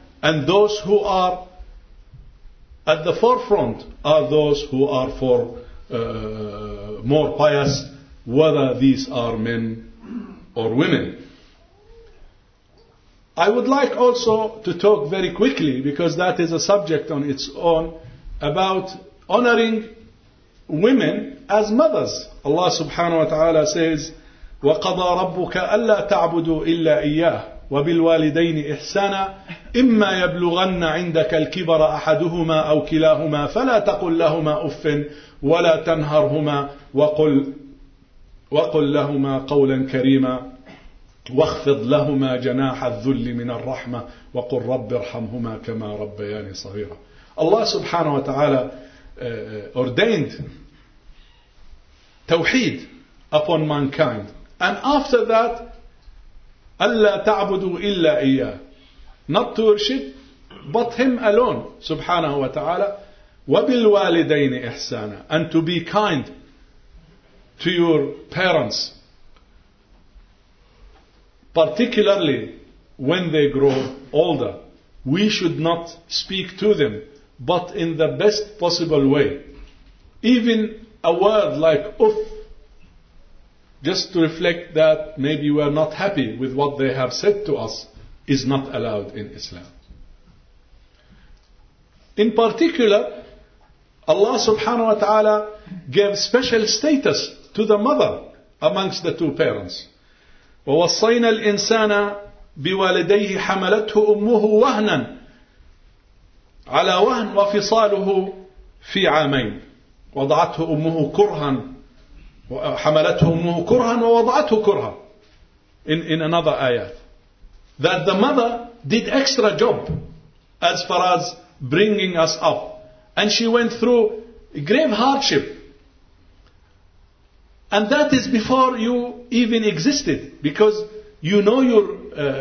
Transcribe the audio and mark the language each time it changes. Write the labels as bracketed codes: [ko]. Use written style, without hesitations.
[en] And those who are at the forefront are those who are for more pious, whether these are men or women. I would like also to talk very quickly, because that is a subject on its own, about honoring women as mothers. Allah subhanahu wa ta'ala says, [ar] وَقَضَى رَبُّكَ أَلَّا تَعْبُدُوا إِلَّا إِيَّاهُ وبالوالدين إحسانا إما يبلغن عندك الكبر أحدهما أو كلاهما فلا تقل لهما أف ولا تنهرهما وقل لهما قولا كريما واخفض لهما جناح الذل من الرحمة وقل رب ارحمهما كما ربياني صغيرا. [en] الله سبحانه وتعالى ordained توحيد upon mankind, and after that [ar] أَلَّا تَعْبُدُوا إِلَّا إِيَّاهِ, [en] not to worship but him alone سبحانه وتعالى. [ar] وَبِالْوَالِدَيْنِ إِحْسَانًا, [en] and to be kind to your parents, particularly when they grow older. We should not speak to them but in the best possible way. Even a word like أُف, just to reflect that maybe we are not happy with what they have said to us, is not allowed in Islam. In particular, Allah subhanahu wa ta'ala gave special status to the mother amongst the two parents. [ar] وَوَصَّيْنَا الْإِنسَانَ بِوَالِدَيْهِ حَمَلَتْهُ أُمُّهُ وَهْنًا عَلَى وَهْنٍ وَفِصَالُهُ فِي عَامَيْنِ وَضَعَتْهُ أُمُّهُ كُرْهًا وحملته أمه كرها ووضعته كرها. [en] In another ayat, that the mother did extra job as far as bringing us up, and she went through grave hardship, and that is before you even existed, because you know your